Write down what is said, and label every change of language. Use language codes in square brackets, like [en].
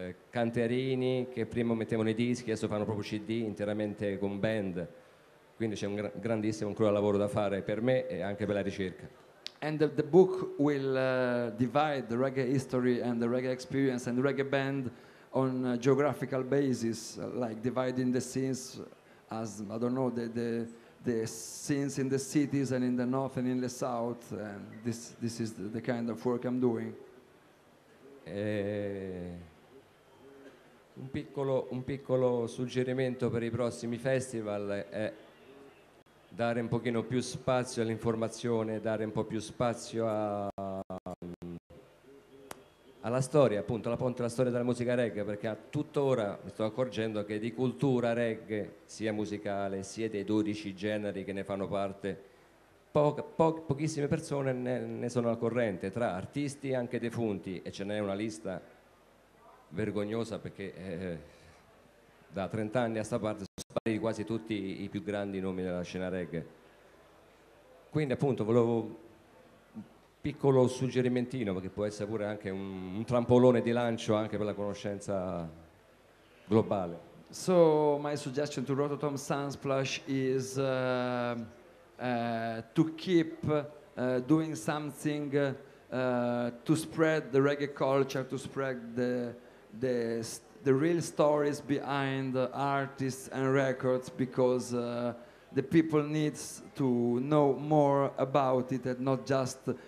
[it] canterini che prima mettevano i dischi, adesso fanno proprio CD interamente con band, quindi c'è un grandissimo ancora lavoro da fare per me e anche per la ricerca. [en] And the book will divide the reggae history and the reggae experience and the reggae band on a geographical basis, like dividing the scenes as, I don't know, the scenes in the cities and in the north and in the south. And this is the kind of work I'm doing. [it] Un piccolo suggerimento per i prossimi festival è dare un pochino più spazio all'informazione, dare un po' più spazio alla storia, appunto, alla ponte della storia della musica reggae, perché a tuttora mi sto accorgendo che di cultura reggae, sia musicale, sia dei 12 generi che ne fanno parte, pochissime persone ne sono al corrente, tra artisti e anche defunti, e ce n'è una lista vergognosa, perché da 30 anni a sta parte di quasi tutti i più grandi nomi della scena reggae. Quindi appunto volevo un piccolo suggerimentino, perché può essere pure anche un trampolone di lancio anche per la conoscenza globale. [en] So my suggestion to Rototom Sunsplash is to keep doing something to spread the reggae culture, to spread the real stories behind artists and records, because the people needs to know more about it and not just